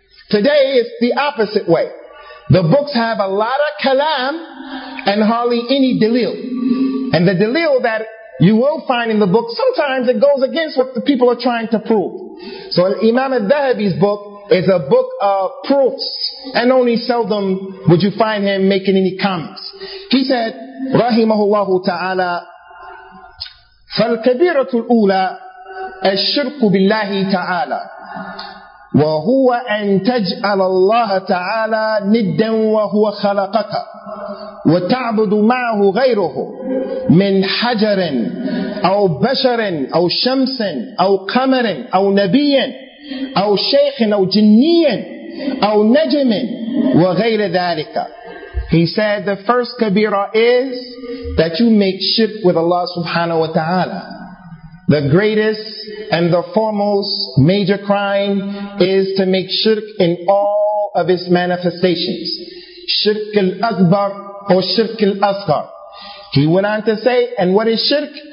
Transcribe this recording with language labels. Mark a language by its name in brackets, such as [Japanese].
[English] Today, it's the opposite way. The books have a lot of kalam and hardly any dalil. And the dalil that you will find in the book, sometimes it goes against what the people are trying to prove. So Imam al-Dhahabi's book is a book of proofs, and only seldom would you find him making any comments. He said, [Arabic] رحمه ta'ala, فالكبيرة الأولى الشرك بالله تعالى وهو أن تجعل الله تعالى ندا وهو خلقك وتعبد معه غيره من حجر أو بشر أو شمس أو قمر أو نبي أو شيخ أو جني أو نجم وغير ذلك. [English] He said the first kabira is that you make shirk with Allah subhanahu wa ta'ala. The greatest and the foremost major crime is to make shirk in all of its manifestations. Shirk al-akbar or shirk al-asghar. He went on to say, and what is shirk?